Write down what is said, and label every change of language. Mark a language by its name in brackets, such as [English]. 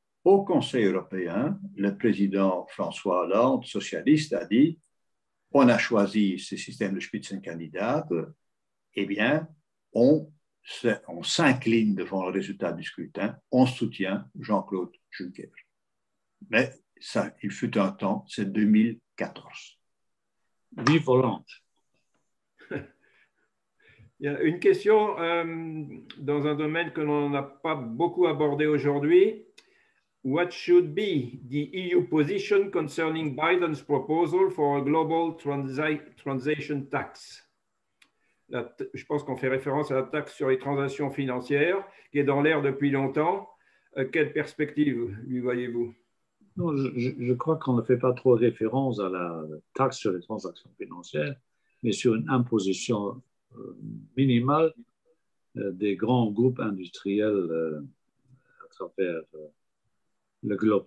[French] Au Conseil européen, le président François Hollande, socialiste, a dit « On a choisi ce système de Spitzenkandidat, eh bien, on s'incline devant le résultat du scrutin, on soutient Jean-Claude Juncker. » Mais ça, il fut un temps, c'est 2014. Vive Hollande. Il y a une question dans un domaine que l'on n'a pas beaucoup abordé aujourd'hui. [English] What should be the EU position concerning Biden's proposal for a global transaction tax? [French] Je pense qu'on fait référence à la taxe sur les transactions financières qui est dans l'air depuis longtemps. Quelle perspective lui voyez-vous? Non, je crois qu'on ne fait pas trop référence à la taxe sur les transactions financières, mais sur une imposition minimale des grands groupes industriels à travers le globe.